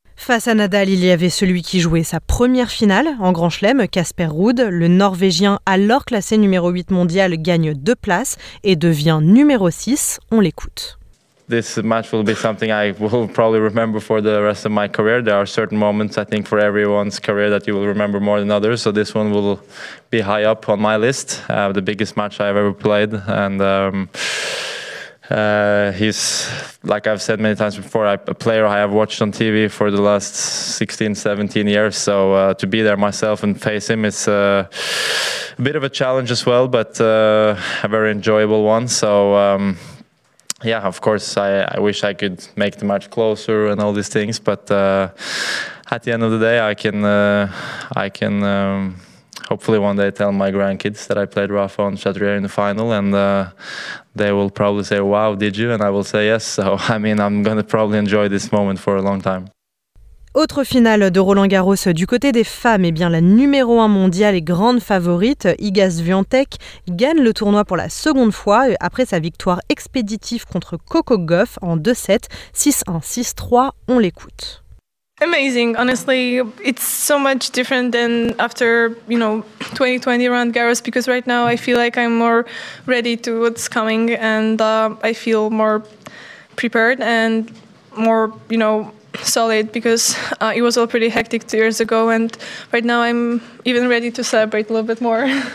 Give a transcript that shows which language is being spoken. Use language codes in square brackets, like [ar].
[fr] Face à Nadal, il y avait celui qui jouait sa première finale en Grand Chelem, Casper Ruud. Le Norvégien, alors classé numéro 8 mondial, gagne 2 places et devient numéro 6. On l'écoute. [en] This match will be something I will probably remember for the rest of my career. There are certain moments, I think, for everyone's career that you will remember more than others. So this one will be high up on my list, the biggest match I've ever played. And he's, like I've said many times before, a player I have watched on TV for the last 16, 17 years. So to be there myself and face him, it's a bit of a challenge as well, but a very enjoyable one. So... yeah, of course, I wish I could make the match closer and all these things, but at the end of the day, I can hopefully one day tell my grandkids that I played Rafa on Chatrier in the final, and they will probably say, wow, did you? And I will say yes. So, I mean, I'm going to probably enjoy this moment for a long time. [fr] Autre finale de Roland-Garros du côté des femmes, et bien la numéro 1 mondiale et grande favorite, Iga Swiatek, gagne le tournoi pour la seconde fois après sa victoire expéditive contre Coco Gauff en 2-7, 6-1, 6-3, on l'écoute. [en] Amazing, honestly, it's so much different than after, you know, 2020 Roland Garros, because right now I feel like I'm more ready to what's coming and I feel more prepared and more, you know, solid, because it was all pretty hectic 2 years ago, and right now I'm even ready to celebrate a little bit more.